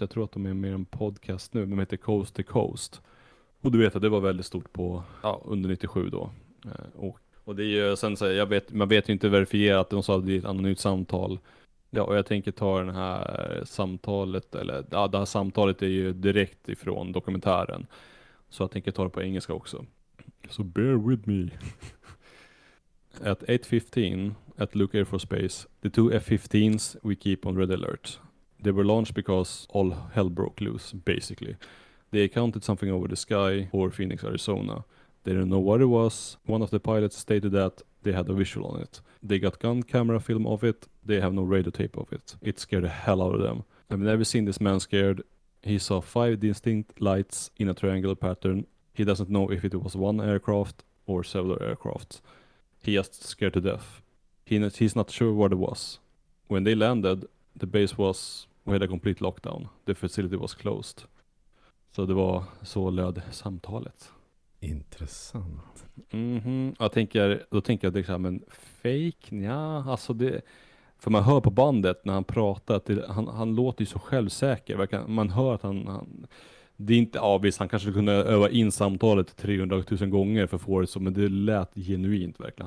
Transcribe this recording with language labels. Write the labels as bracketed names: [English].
[Swedish] Jag tror att de är mer en podcast nu. De heter Coast to Coast. Och du vet att det var väldigt stort på, under 97 då. Och Och det är ju sen så här, jag vet, man vet ju inte verifiera att de sa att det är ett anonymt samtal. Ja, och jag tänker ta den här samtalet, eller ja, det här samtalet är ju direkt ifrån dokumentären. Så jag tänker ta det på engelska också. [English] So bear with me. At 8:15 at Luke Air Force Base, the two F-15s we keep on red alert. They were launched because all hell broke loose, basically. They encountered something over the sky over Phoenix, Arizona. They didn't know what it was. One of the pilots stated that they had a visual on it. They got gun camera film of it. They have no radio tape of it. It scared the hell out of them. I've never seen this man scared. He saw five distinct lights in a triangular pattern. He doesn't know if it was one aircraft or several aircrafts. He just scared to death. He's not sure what it was. When they landed, the base was, we had a complete lockdown. The facility was closed. [Swedish] Så det var så löd samtalet. Intressant. Mm-hmm. Då tänker jag det är så här, men fake? Ja, alltså det, för man hör på bandet när han pratar, att det, han låter ju så självsäker. Man hör att han det är inte avvis, han kanske kunde öva in samtalet 300 000 gånger för få det, men det lät genuint verkligen.